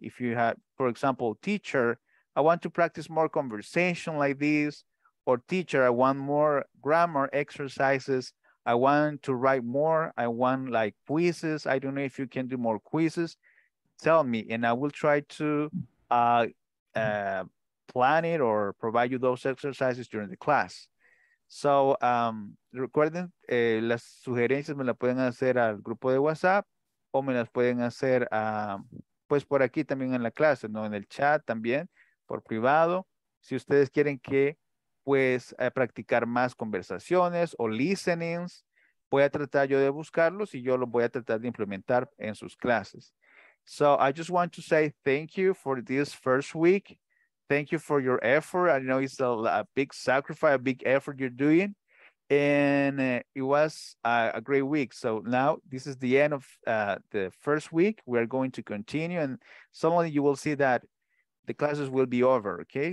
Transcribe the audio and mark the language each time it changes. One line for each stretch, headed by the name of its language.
English: If you have, for example, teacher, I want to practice more conversation like this, or teacher, I want more grammar exercises, I want to write more. I want like quizzes. I don't know if you can do more quizzes. Tell me and I will try to plan it or provide you those exercises during the class.
Spanish: So recuerden, las sugerencias me las pueden hacer al grupo de WhatsApp o me las pueden hacer pues por aquí también en la clase, no en el chat también, por privado. Si ustedes quieren que pues practicar más conversaciones o listenings, voy a tratar yo de buscarlos y yo los voy a tratar de implementar en sus clases.
English: So I just want to say thank you for this first week. Thank you for your effort. I know it's a big sacrifice, a big effort you're doing. And it was a great week. So now this is the end of the first week. We're going to continue and suddenly you will see that the classes will be over, okay?